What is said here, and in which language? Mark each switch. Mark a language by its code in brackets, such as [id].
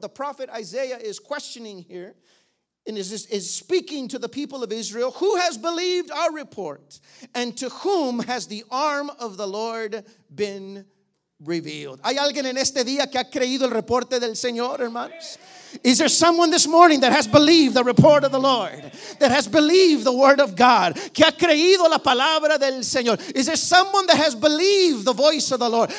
[en] The prophet Isaiah is questioning here and is speaking to the people of Israel. Who has believed our report? And to whom has the arm of the Lord been revealed? [es] ¿Hay alguien en este día que ha creído el reporte del Señor, hermanos? [en] Is there someone this morning that has believed the report of the Lord? That has believed the word of God? [es] Que ha creído la palabra del Señor? [en] Is there someone that has believed the voice of the Lord?